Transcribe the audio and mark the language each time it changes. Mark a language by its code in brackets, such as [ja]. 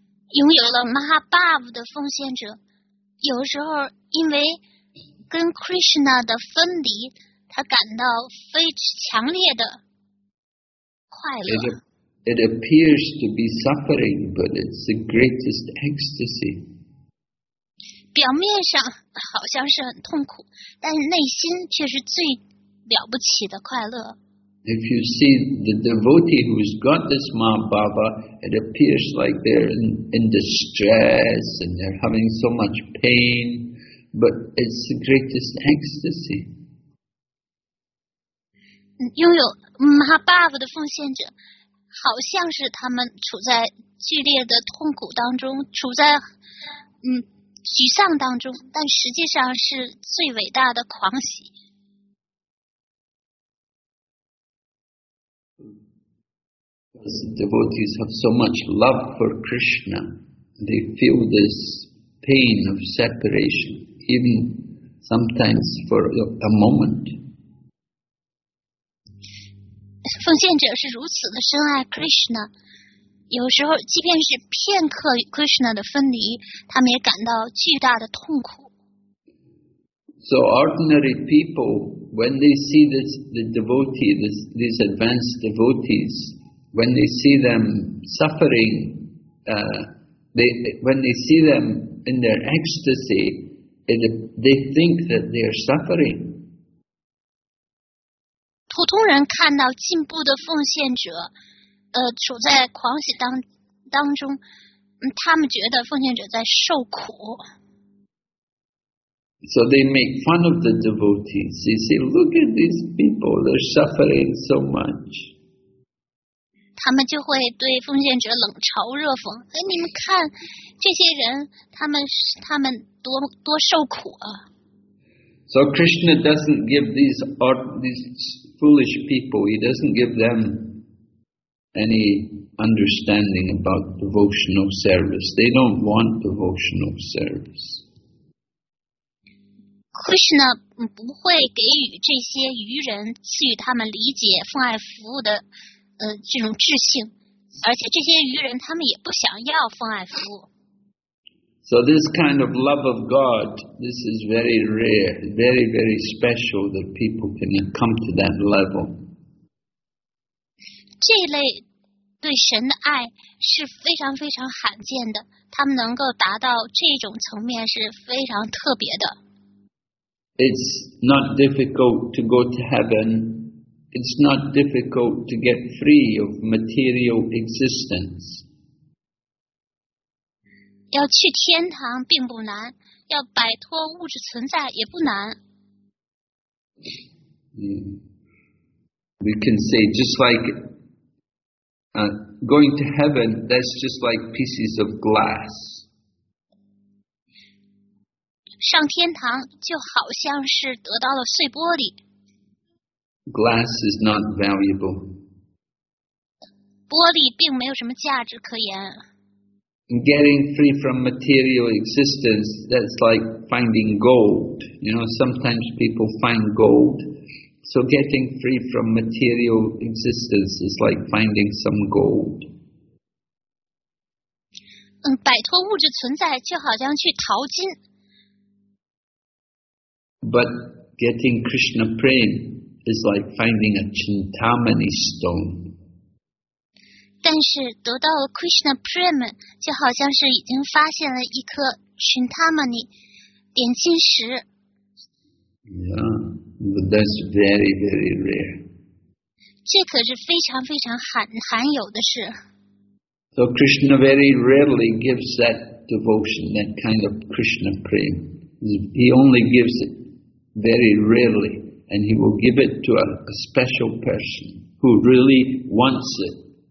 [zh] 拥有了 Mahabhava 的奉献者，有时候因为跟 Krishna 的分离，他感到非常强烈的快乐。 [en] It, It appears to be suffering, but it's the greatest ecstasy. [zh] 表面上好像是很痛苦，但内心却是最了不起的快乐。 [en] If you see the devotee who's got this Mahababha, it appears like they're in distress and they're having so much pain, but it's the greatest ecstasy. [zh] 拥有 Mahababha 的奉献者，好像是他们处在剧烈的痛苦当中，处在沮丧当中，但实际上是最伟大的狂喜。 [en] Because devotees have so much love for Krishna, they feel this pain of separation, even sometimes for a moment. [zh] 奉献者是如此的深爱 Krishna, 有时候即便是片刻 Krishna 的分离，他们也感到巨大的痛苦。 [en] So ordinary people, when they see this, the devotee, these advanced devotees,When they see them suffering, when they see them in their ecstasy, they think that they are suffering. [zh] 普通人看到进步的奉献者，处在狂喜当中，他们觉得奉献者在受苦。 [en] So they make fun of the devotees. They say, "Look at these people; they're suffering so much." [zh] 他们就会对奉献者冷嘲热讽，哎，你们看，这些人，他们多受苦啊。 [en] So Krishna doesn't give these foolish people, he doesn't give them any understanding about devotional service. They don't want devotional service. [zh] Krishna 不会给予这些愚人赐予他们理解奉爱服务的这种智性，而且这些愚人他们也不想要奉爱服务。 [en] So this kind of love of God, this is very rare, very very special that people can come to that level. [zh] 这一类对神的爱是非常非常罕见的，他们能够达到这种层面是非常特别的。 [en] It's not difficult to go to heaven. It's not difficult to get free of material existence. [zh] 要去天堂并不难，要摆脱物质存在也不难。 [en] We can say just like going to heaven, that's just like pieces of glass. [zh] 上天堂就好像是得到了碎玻璃。 [en] Glass is not valuable. [zh] 玻璃并没有什么价值可言。 [en] Getting free from material existence, that's like finding gold. You know, sometimes people find gold. So getting free from material existence is like finding some gold. [zh] 摆脱物质存在就好像去淘金。 [en] But getting Krishna prem,It's like finding a Chintamani stone. [zh] 但是得到了 Krishna Prem, 就好像是已经发现了一颗 Chintamani, 点心石。 [en] Yeah, but that's very, very rare. [zh] 这可是非常非常罕有的事。 [en] So Krishna very rarely gives that devotion, that kind of Krishna Prem. He only gives it very rarely. And he will give it to a special person who really wants it.